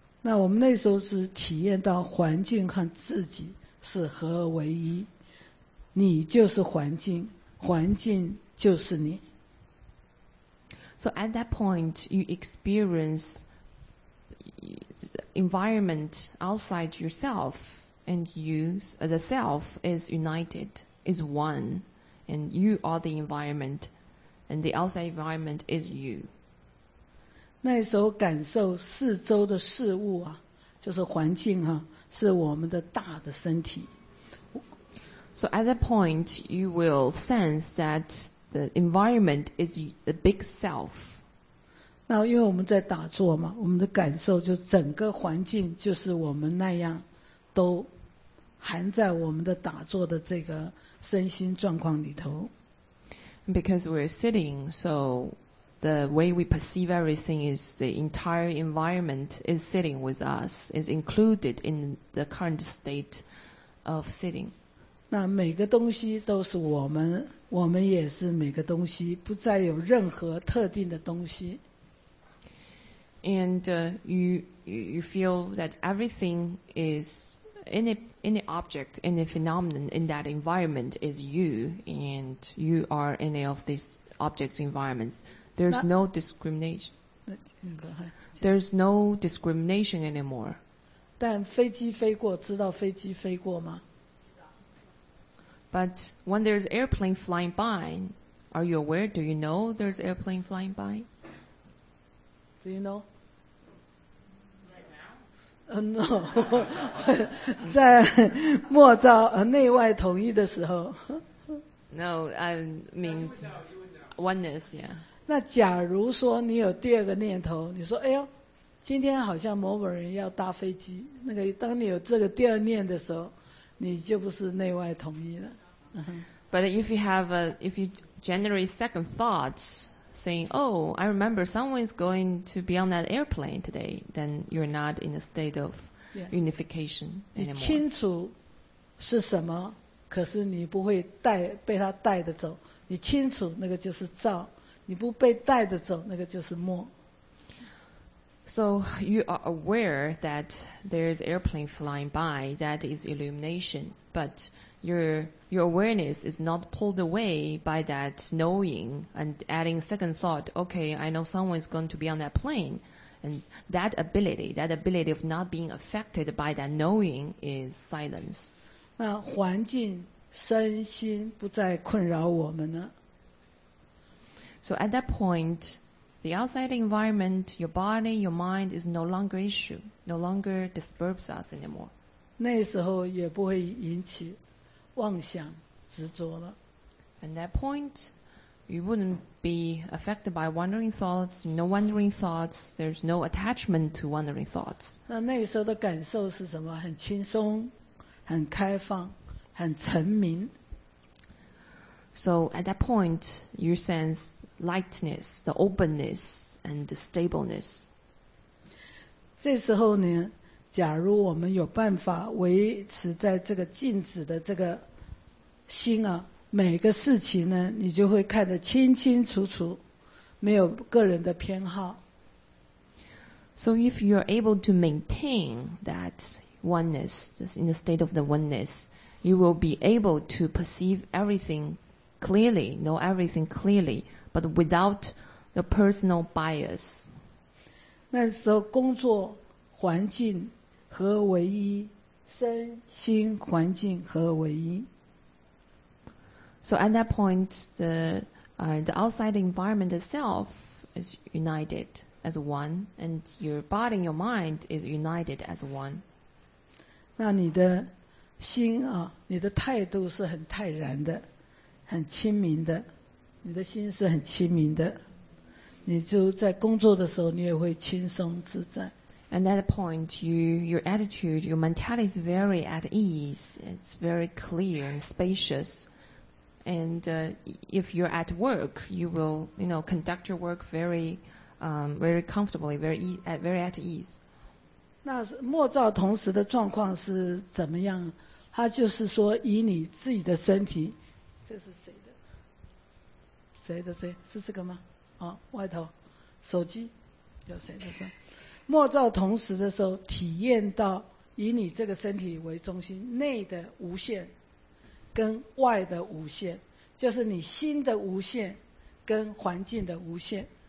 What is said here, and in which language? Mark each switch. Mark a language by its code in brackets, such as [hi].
[zh] 那我们那时候是体验到环境和自己是合而为一，你就是环境，环境就是你。 [en] So at that point, you experience the environment outside yourself, and the self is united, is one, and you are the environment, and the outside environment is you. [zh] 那时候感受四周的事物啊，就是环境啊，是我们的大的身体。 [en] So at that point, you will sense that the environment is the big self. [zh] 那因为我们在打坐嘛，我们的感受就整个环境就是我们那样，都含在我们的打坐的这个身心状况里头。 [en] Because we're sitting, so the way we perceive everything is the entire environment is sitting with us, is included in the current state of sitting. [zh] 那每个东西都是我们，我们也是每个东西，不再有任何特定的东西。 [en] And you feel that everything is any object, any phenomenon in that environment is you, and you are any of these objects' environments. There's no discrimination. There's no discrimination anymore. [zh] 但飞机飞过，知道飞机飞过吗？ [en] But when there's airplane flying by, are you aware? Do you know there's airplane flying by? Do you know? Right now? No. [zh] 在末照内外统一的时候。 [en] No, I mean oneness, yeah. [zh] 那假如说你有第二个念头，你说哎呦，今天好像某某人要搭飞机，那个当你有这个第二念的时候，你就不是内外统一了。 [en] But if you have if you generate second thoughts, saying, oh, I remember someone is going to be on that airplane today, then you're not in a state of unification anymore. [zh] 你清楚是什么，可是你不会带被他带着走，你清楚那个就是照，你不被带着走那个就是默。 [en] So you are aware that there is airplane flying by, that is illumination, but your awareness is not pulled away by that knowing and adding second thought, okay, I know someone is going to be on that plane. And that ability of not being affected by that knowing is silence. [zh] 那环境身心不再困扰我们了。 [en] So at that point,The outside environment, your body, your mind is no longer issue, no longer disturbs us anymore. [zh] 那时候也不会引起妄想执着了。 [en] At that point, you wouldn't be affected by wandering thoughts, no wandering thoughts, there's no attachment to wandering thoughts. [zh] 那时候的感受是什么？很轻松，很开放，很澄明。 [en] So at that point, you sense lightness, the openness, and the stableness. [zh] 这时候呢，假如我们有办法维持在这个静止的这个心啊，每个事情呢，你就会看得清清楚楚，没有个人的偏好。 [en] So if you are able to maintain that oneness, in the state of the oneness, you will be able to perceive everything. Clearly, know everything clearly, but without the personal bias. [zh] 那时候工作环境合为一，身心环境合为一。 [en] So at that point, the outside environment itself is united as one, and your body and your mind is united as one. [zh] 那你的心啊，你的态度是很泰然的。很清明的，你的心是很清明的，你就在工作的时候，你也会轻松自在。 [en] And at that point, your attitude, your mentality is very at ease. It's very clear and spacious. And if you're at work, you will, you know, conduct your work very, very comfortably, very at ease. [zh] 那默照同时的状况是怎么样？他就是说，以你自己的身体。这是谁的？谁的谁？是这个吗？哦，外头，手机，有谁的声？默照同时的时候，体验到以你这个身体为中心，内的无限跟外的无限，就是你心的无限跟环境的无限。